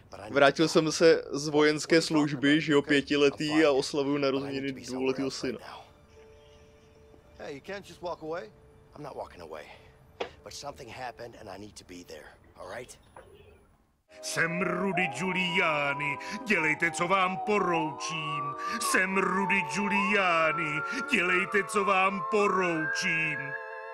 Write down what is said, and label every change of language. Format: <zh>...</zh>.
<cs>Vrátil jsem se z vojenské služby, že jo, 5letý a oslavuju narozeniny 2letýho syna.</cs> <en>Hey, you can't just walk away. I'm not walking away, but something happened and I need to be there, all right?</en> <cs>Jsem Rudy Giuliani, dělejte, co vám poroučím. Jsem Rudy Giuliani, dělejte, co vám poroučím.</cs>